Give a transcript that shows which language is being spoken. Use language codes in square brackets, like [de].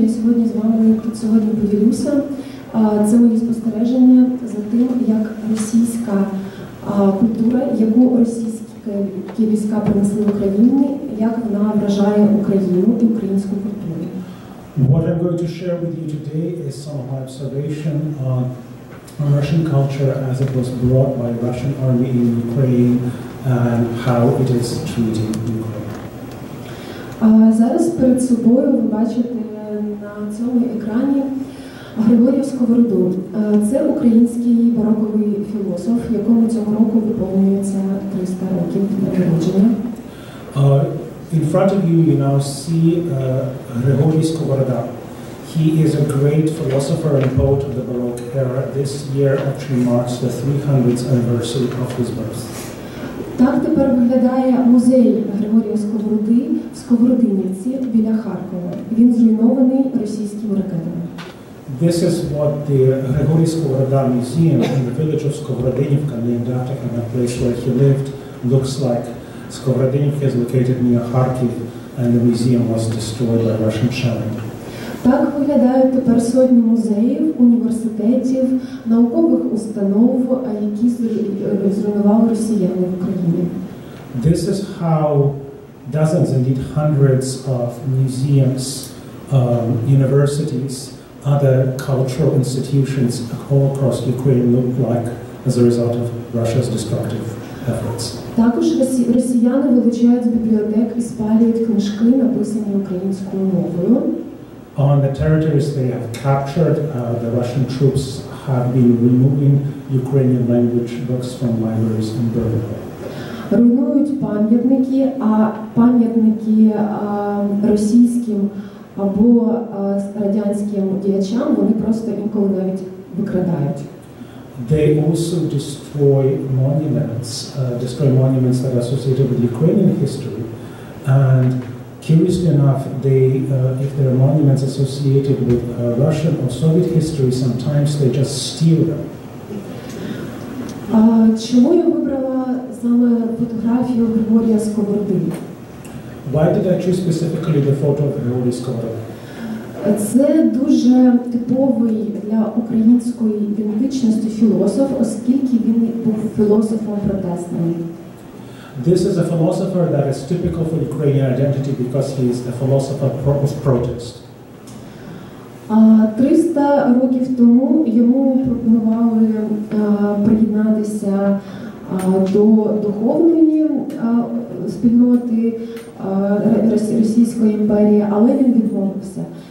[uk] Я сьогодні з вами тут сьогодні поділюся. Це мої спостереження за тим, як російська культура, яку російські війська принесли в Україну, як вона вражає Україну і українську культуру. [en] What I'm going to share with you today is some of my observation on Russian culture as it was brought by the Russian army in Ukraine and how it is treated in Ukraine. [uk] Зараз перед собою ви бачите на цьому екрані Григорія Сковороду. Це український бароковий філософ, якому цього року виповнюється 300 років народження. [en] In front of you, you now see Григорій Сковорода. He is a great philosopher and poet of the Baroque era. This year actually marks the 300th anniversary of his birth. [uk] Так тепер виглядає музей Григорія Сковороди в Сковородинівці біля Харкова. Він зруйнований російськими ракетами. [en] This is what the Григорій Сковорода Museum in the village of Skovorodinivka, named after him, a place where he lived, looks like. Skovorodinivka is located near Kharkiv, and the museum was destroyed by Russian shelling. [uk] Так виглядають тепер сотні музеїв, університетів, наукових установ, які зруйнували росіяни в Україні. [en] This is how dozens, indeed hundreds of museums, universities, other cultural institutions all across Ukraine look like as a result of Russia's destructive efforts. [uk] Також росіяни вилучають бібліотек і спалюють книжки, написані українською мовою. [en] On the territories they have captured, the Russian troops have been removing Ukrainian language books from libraries in Berlin. [uk] Руйнують пам'ятники, а пам'ятники російським або радянським діячам вони просто інколи навіть викрадають. [en] They also destroy monuments that are associated with Ukrainian history. And curiously enough, if there are monuments associated with Russian or Soviet history, sometimes they just steal them. [uk] Чому я вибрала саме фотографію Григорія Сковороди? [en] Why did I choose specifically the photo of Григорій Сковороди? [uk] Це дуже типовий для української ідентичності філософ, оскільки він був філософом протестним. [en] This is a philosopher that is typical for Ukrainian identity because he is a philosopher of protest. [uk] 300 років тому йому пропонували приєднатися до духовної спільноти Російської імперії, але він відмовився.